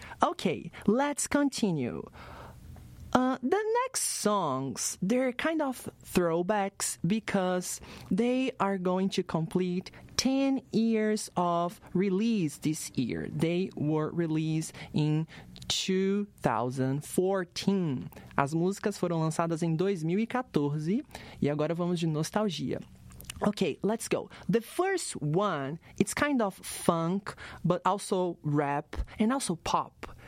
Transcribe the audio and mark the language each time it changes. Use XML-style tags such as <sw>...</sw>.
<en>Okay, let's continue. The next songs, they're kind of throwbacks because they are going to complete 10 years of release this year. They were released in 2014.</en> <pt>As músicas foram lançadas em 2014 e agora vamos de nostalgia.</pt> <en>Okay, let's go. The first one, it's kind of funk, but also rap and also pop.</en>